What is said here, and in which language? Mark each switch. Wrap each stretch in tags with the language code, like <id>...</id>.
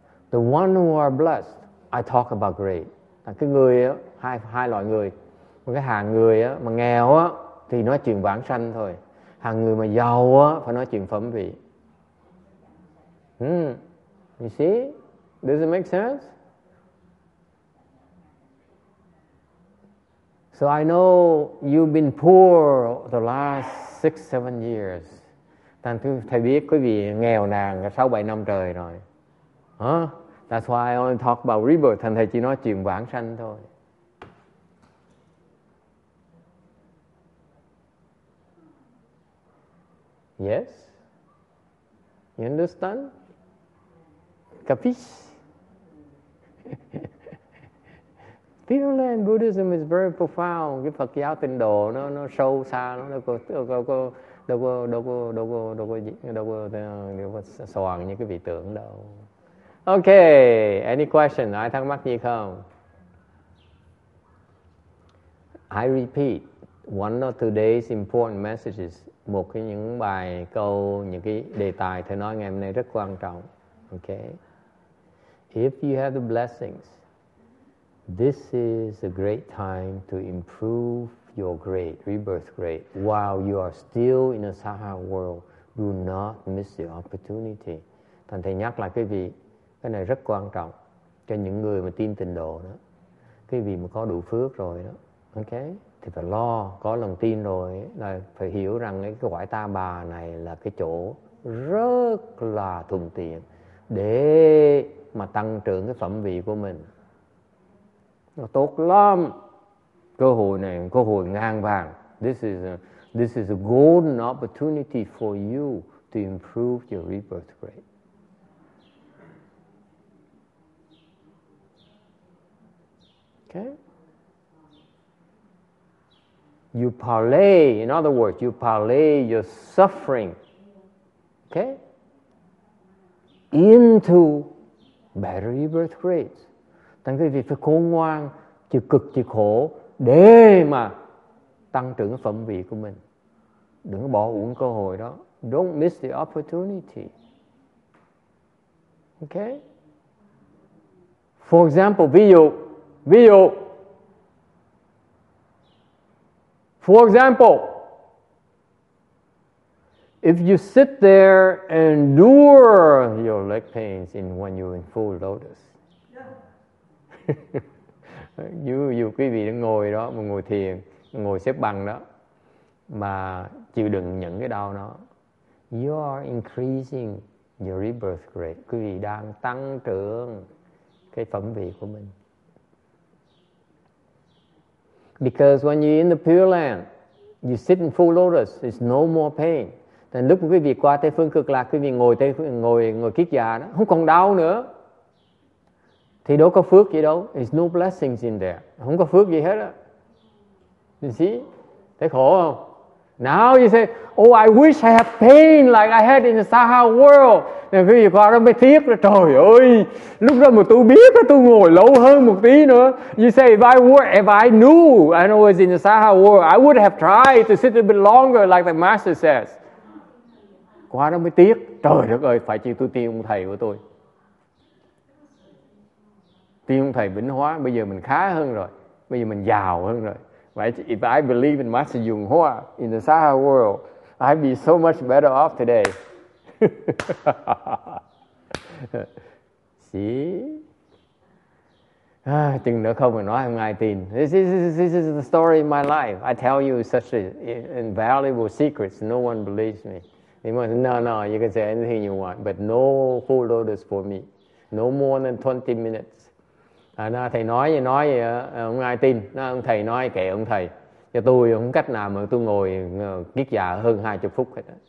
<en>The one who are blessed, I talk about grade.</en> <vi>Là cái người á, hai loại người. Một cái hàng người á, mà nghèo á, thì nói chuyện vãng sanh thôi. Hàng người mà giàu á phải nói chuyện phẩm vị.</vi> <en>You see? Does it make sense? So I know you've been poor the last 6-7 years.</en> <vi>Thầy biết quý vị nghèo nàn 6-7 năm trời rồi. Huh?</vi> <en>That's why I only talk about rebirth.</en> <vi>Thầy chỉ nói chuyện vãng sanh thôi.</vi> <en>Yes? You understand? Capisce? Pure Land Buddhism is very profound.</en> <vi>Cái Phật giáo Tịnh Độ nó sâu xa, nó đâu có soàn như cái vị tưởng đâu.</vi> <en>Okay, any question?</en> <vi>Ai thắc mắc gì không?</vi> <en>I repeat, one of today's important messages.</en> <vi>Một cái những bài câu, những cái đề tài thầy nói ngày hôm nay rất quan trọng.</vi> <en>Okay. If you have the blessings, this is a great time to improve your grade, rebirth grade. While you are still in a Sahara world, do not miss the opportunity.</en> <vi>Thành thầy nhắc lại quý vị, cái này rất quan trọng cho những người mà tin tịnh độ đó. Quý vị mà có đủ phước rồi đó. Okay. Thì phải lo, có lòng tin rồi là phải hiểu rằng cái quải ta bà này là cái chỗ rất là thuận tiện để mà tăng trưởng cái phẩm vị của mình. Nó tốt lắm. Cơ hội này, cơ hội ngang vàng.</vi> <en>This is a golden opportunity for you to improve your rebirth grade. Okay? In other words, you parlay your suffering, okay, into better rebirth grades.</en> <vi>Thành quý vị phải khôn ngoan, chịu cực chịu khổ để mà tăng trưởng phẩm vị của mình. Đừng bỏ uổng cơ hội đó.</vi> <en>Don't miss the opportunity. Okay. For example,</en> <vi>ví dụ.</vi> <en>For example, if you sit there and endure your leg pains when you're in full lotus, yeah.</en> <vi>you quý vị đang ngồi đó, mà ngồi thiền, ngồi xếp bằng đó, mà chịu đựng những cái đau đó,</vi> <en>you are increasing your rebirth grade.</en> <vi>Quý vị đang tăng trưởng cái phẩm vị của mình.</vi> <en>Because when you're in the Pure Land, you sit in full lotus, it's no more pain.</en> <vi>Then lúc quý vị qua Tây Phương Cực Lạc, quý vị ngồi kiết già đó, không còn đau nữa. Thì đâu có phước gì đâu.</vi> <en>It's no blessings in there.</en> <vi>Không có phước gì hết á.</vi> <en>You see?</en> <vi>Thấy khổ không?</vi> <en>Now you say, oh, I wish I had pain like I had in the Saha world.</en> <vi>Nên quý vị qua đó mới tiếc là trời ơi, lúc đó mà tôi biết là tôi ngồi lâu hơn một tí nữa.</vi> <en>You say, if I knew I was in the Saha world, I would have tried to sit a bit longer like the master says.</en> <vi>Qua đó mới tiếc, trời đất ơi, phải chứ tôi tin ông thầy của tôi. Tin ông thầy Vĩnh Hóa, bây giờ mình khá hơn rồi, bây giờ mình giàu hơn rồi.</vi> <en>If I believe in Master Yung Hoa in the Saha world, I'd be so much better off today.</en> <vi>See? Chừng nữa không phải nói không ai tin.</vi> <en>This is the story of my life. I tell you such invaluable secrets. No one believes me. They might say, no, you can say anything you want, but no full lotus for me. No more than 20 minutes.</en> <vi>À, thầy nói gì, không ai tin. Nó, ông thầy nói kệ ông thầy. Cho tôi không cách nào mà tôi ngồi kiết già hơn 20 phút hết.</vi>